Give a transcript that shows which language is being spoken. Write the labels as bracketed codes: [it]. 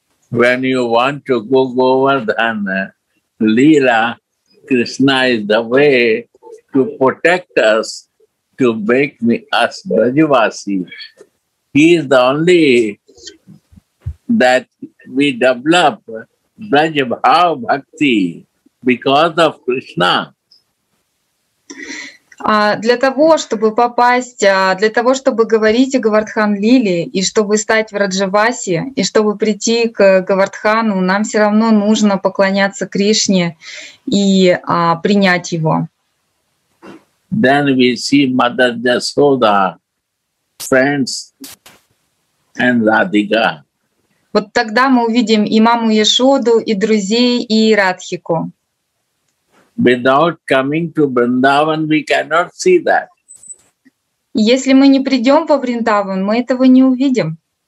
[en] When you want to go Govardhana, Leela, Krishna is the way to protect us, to make me as Brajavasi. He is the only that we develop Brajabhava Bhakti because of Krishna. [ru] Для того, чтобы попасть, для того, чтобы говорить о Говардхан-лиле, и чтобы стать в Раджаваси, и чтобы прийти к Говардхану, нам все равно нужно поклоняться Кришне и принять его. [en] Then we see Mother Yashoda, friends and Radhika. [ru] Вот тогда мы увидим и маму Яшоду, и друзей, и Радхику. [en] Without coming to Vrindavan, we cannot see that. [ru] Если мы не придем во Вриндаван, мы этого не увидим.